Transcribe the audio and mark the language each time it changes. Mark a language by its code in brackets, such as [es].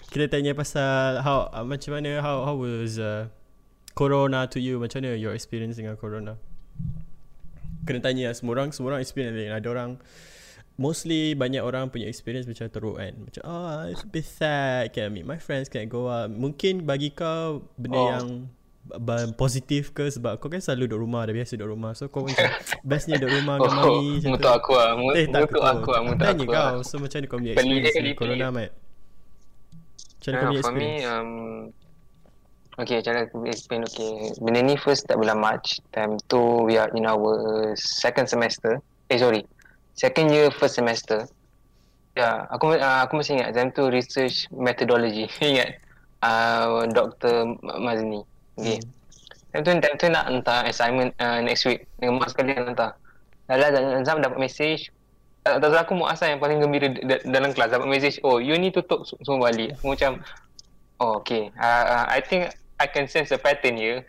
[en] Kita tanya pasal how was corona to you? [ms] Macam mana [en] your experience [ms] dengan corona? Kena tanya lah. Semua orang experience dengan ada orang. [en] Mostly [ms] banyak orang punya experience macam teruk kan. Macam, [en] it's a bit sad, can I meet my friends, can I go out. [ms] Mungkin bagi kau benda yang positif ke, sebab kau kan selalu duduk rumah, dah biasa duduk rumah. So kau macam bestnya duduk rumah dengan mami. Mutuk aku lah, mutuk aku. Kau, so macam ni kau punya experience ni corona, Mat? Macam ni kau punya experience? [en] For me, okay, [ms] macam aku [en] explain, okay. [ms] Benda ni first tak bulan March. [en] Time tu, we are in our second semester. Second year, first semester. Yeah, [ms] aku masih ingat. Time tu research methodology. Ingat. Dr. Mazni. Okay. Time tu nak hantar assignment [en] next week. [ms] Dengan Muaz sekali nak hantar. Dahlah, Zam dapat message. Tak tahu aku Muaz yang paling gembira dalam kelas. Dapat message, you ni tutup semua balik. Macam, okay. [en] I think I can sense a pattern here.